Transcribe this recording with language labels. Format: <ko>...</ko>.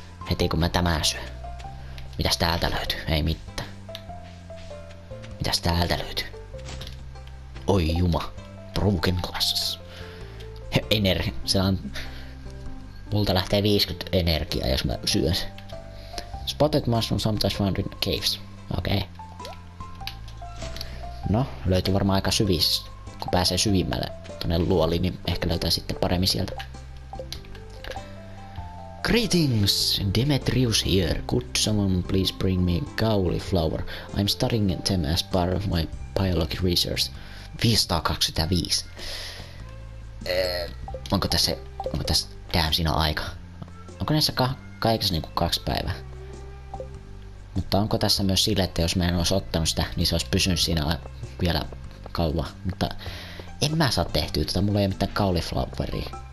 <fi>Heti kun mä tämän syön. Mitäs täältä löytyy? Ei mitään. Mitäs täältä löytyy? Oi juma. Broken glasses. Energia. Se on... Multa lähtee 50 energiaa, jos mä syön sen.</fi> <en>Spotted mushroom sometimes found in caves. Okei. Okay.</en> <fi>No, löytyy varmaan aika syvissä. Kun pääsee syvimmälle tonne luoliin, niin ehkä löytää sitten paremmin sieltä.</fi> <en>Greetings, Demetrius here. Could someone please bring me cauliflower? I'm studying them as part of my biology research. 525.</en> <fi>Onko tässä, damn, siinä on aika. Onko näissä kaikissa niinku 2 päivää? Mutta onko tässä myös sille, että jos mä en olisi ottanut sitä, niin se olisi pysynyt siinä vielä kauan. Mutta en mä saa tehtyä tota, mulla ei ole mitään cauliflowerii.</fi>